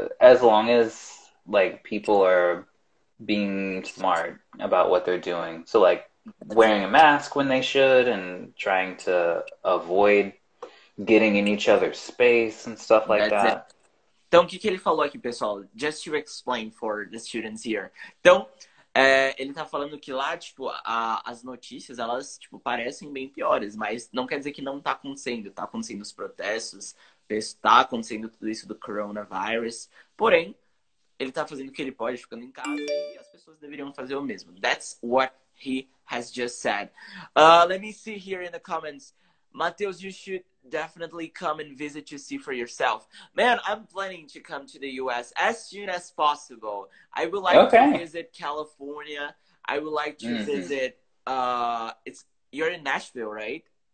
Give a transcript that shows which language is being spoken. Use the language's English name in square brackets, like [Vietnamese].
[English] As long as, like, people are being smart about what they're doing. So, like, wearing a mask when they should and trying to avoid getting in each other's space and stuff like That's that. It. [Portuguese] Então, o que ele falou aqui, pessoal? [English] Just to explain for the students here. [Portuguese] Então, ele tá falando que lá, tipo, as notícias, elas, tipo, parecem bem piores, mas não quer dizer que não tá acontecendo. Tá acontecendo os protestos, tá acontecendo tudo isso do coronavirus. Porém, ele tá fazendo o que ele pode, ficando em casa, e as pessoas deveriam fazer o mesmo. [English] That's what he has just said. Let me see here in the comments. Mateus, you should definitely come and visit to see for yourself. Man, I'm planning to come to the U.S. as soon as possible. I would like to visit California. I would like to visit... You're in Nashville, right?